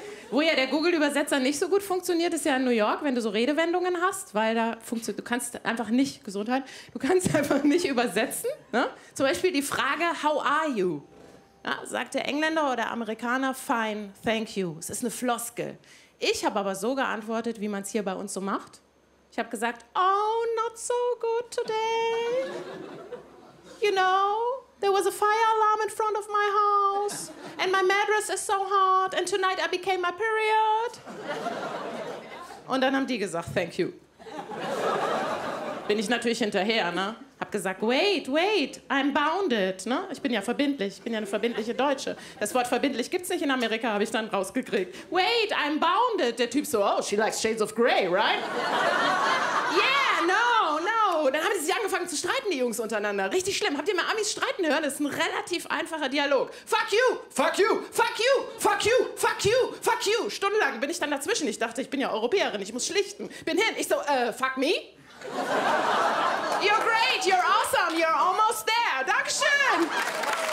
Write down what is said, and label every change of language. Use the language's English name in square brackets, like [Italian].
[German] Wo ja der Google-Übersetzer nicht so gut funktioniert, ist ja in New York, wenn du so Redewendungen hast, weil da funktioniert, du kannst einfach nicht, Gesundheit, du kannst einfach nicht übersetzen. Ne? Zum Beispiel die Frage, [English] how are you? [German] Ja, sagt der Engländer oder Amerikaner, [English] fine, thank you. [German] Es ist eine Floskel. Ich habe aber so geantwortet, wie man es hier bei uns so macht. Ich habe gesagt, [English] oh, not so good today. You know, there was a fire alarm in front of my house. And my mattress is so hot. And tonight I became my period. [German] Und dann haben die gesagt, [English] thank you. [German] Bin ich natürlich hinterher, ne? Hab gesagt, [English] wait, I'm bounded. [German] Ne? Ich bin ja verbindlich, ich bin ja eine verbindliche Deutsche. Das Wort verbindlich gibt's nicht in Amerika, habe ich dann rausgekriegt. [English] Wait, I'm bounded. [German] Der Typ so, [English] oh, she likes Shades of Grey, right? Yeah, no. [German] Dann haben sie sich angefangen zu streiten, die Jungs untereinander. Richtig schlimm. Habt ihr mal Amis streiten hören? Das ist ein relativ einfacher Dialog. [English] Fuck you, fuck you, fuck you, fuck you, fuck you, fuck you. [German] Stundenlang bin ich dann dazwischen. Ich dachte, ich bin ja Europäerin, ich muss schlichten. Bin hin, ich so, [English] fuck me? You're great, you're awesome, you're almost there. [German] Dankeschön!